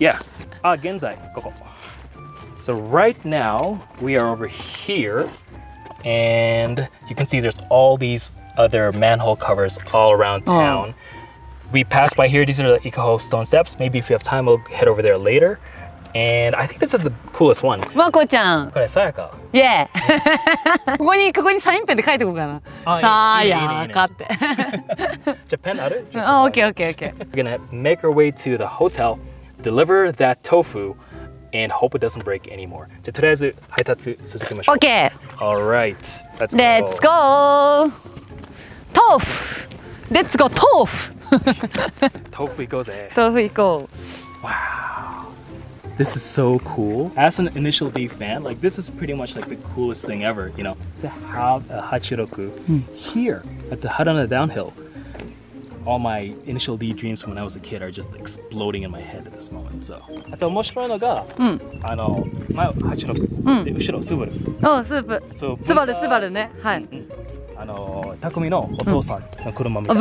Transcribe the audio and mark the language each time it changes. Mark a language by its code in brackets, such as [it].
[en] Yeah. Ah, [ja] Genzai. Koko. [en] So right now, we are over here. And you can see there's all these other manhole covers all around town. We passed by here. These are the Ikaho stone steps. Maybe if we have time, we'll head over there later. And I think this is the coolest one. Mako-chan. [ja] これ、Sayaka. [en] Yeah. [ja] ここにサインペンで書いておこうかな。 Sayaka って。じゃあペンある？ [en] Oh, okay. We're gonna make our way to the hotel, deliver that tofu, and hope it doesn't break anymore. [ja] じゃあとりあえず配達続けましょう。 [en] Okay. All right. Let's go. Let's go. Tofu. Let's go. Tofu. [ja] Tofu 行こうぜ。 Tofu 行こう。 [en] Wow. This is so cool. As an Initial D fan, like this is pretty much like the coolest thing ever, you know, to have a Hachiroku here at the Haruna Downhill. all my initial D dreams from when I was a kid are just exploding in my head at this moment. [ja] So, あと面白いのが、あの、前86、で、後ろ、スバル。お、スープ。スバル、スバルね。はい。あの、たくみのお父さんの車みたいな。